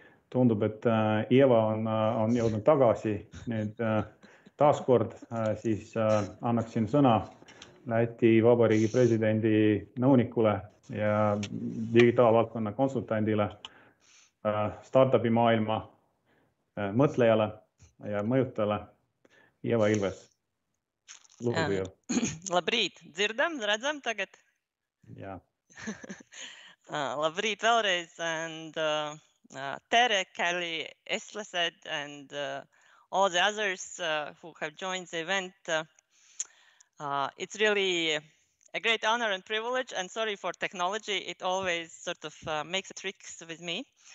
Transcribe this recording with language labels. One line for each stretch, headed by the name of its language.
Estonian: Tundub, et Ieva on jõudnud tagasi. Nüüd taaskord siis annaksin sõna Läti Vabariigi presidendi nõunikule ja digitaalvaltkonna konsultandile, startupi maailma mõtlejale ja mõjutajale. Ieva Ilves, lugu jõu.
Latvian: Labrīt, dzirdam, redzam tagad? Jā. Labrīt vēlreiz,
English: and Tere, Kelly, Eslased, and all the others who have joined the event. It's really a great honor and privilege, and sorry for technology, it always sort of makes tricks with me.